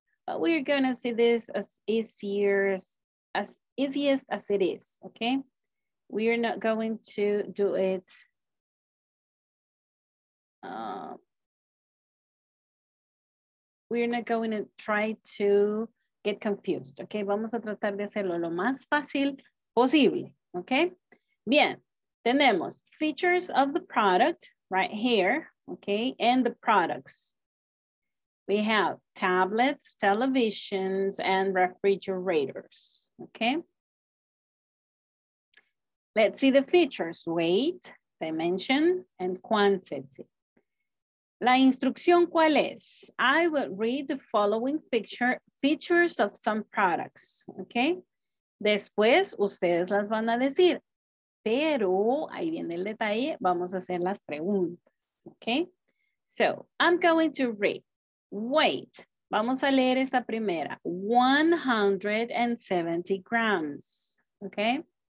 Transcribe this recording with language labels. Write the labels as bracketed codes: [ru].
[en] But we're going to see this as easiest as it is, okay? We are not going to do it we're not going to try to get confused, okay? [es] Vamos a tratar de hacerlo lo más fácil posible, okay? Bien. Tenemos [en] features of the product right here, okay, and the products. We have tablets, televisions, and refrigerators, okay? Let's see the features, weight, dimension, and quantity. [es] La instrucción, ¿cuál es? [en] I will read the following features of some products, okay? [es] Después, ustedes las van a decir. Pero ahí viene el detalle, vamos a hacer las preguntas, okay? [en] So, I'm going to read. Weight, [es] vamos a leer esta primera, [en] 170 grams, okay?